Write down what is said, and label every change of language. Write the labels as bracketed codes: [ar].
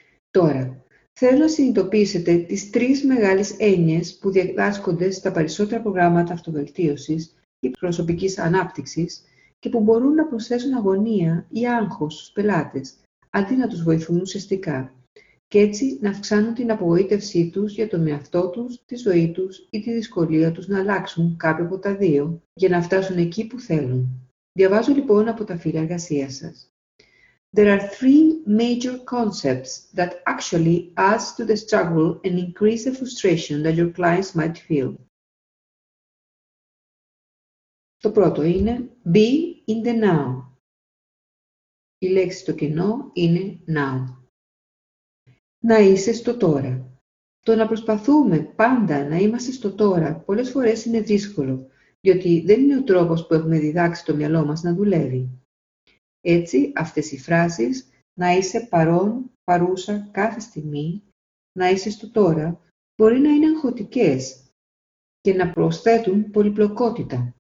[el] Τώρα, θέλω να συνειδητοποιήσετε τις τρεις μεγάλες έννοιες που διδάσκονται στα περισσότερα προγράμματα αυτοβελτίωσης ή προσωπικής ανάπτυξης και που μπορούν να προσθέσουν αγωνία ή άγχος στους πελάτες, αντί να τους βοηθούν ουσιαστικά. Και έτσι να αυξάνουν την απογοήτευσή τους για τον εαυτό τους, τη ζωή τους ή τη δυσκολία τους να αλλάξουν κάποιο από τα δύο για να φτάσουν εκεί που θέλουν. Διαβάζω λοιπόν από τα φύλλα εργασίας σας. [en] There are three major concepts that actually add to the struggle and increase the frustration that your clients might feel. [el] Το πρώτο είναι [en] be in the now. [el] Η λέξη στο κενό είναι now. Να είσαι στο τώρα. Το να προσπαθούμε πάντα να είμαστε στο τώρα πολλές φορές είναι δύσκολο, διότι δεν είναι ο τρόπος που έχουμε διδάξει το μυαλό μας να δουλεύει. Έτσι, αυτές οι φράσεις, να είσαι παρόν, παρούσα, κάθε στιγμή, να είσαι στο τώρα, μπορεί να είναι αγχωτικές και να προσθέτουν πολυπλοκότητα.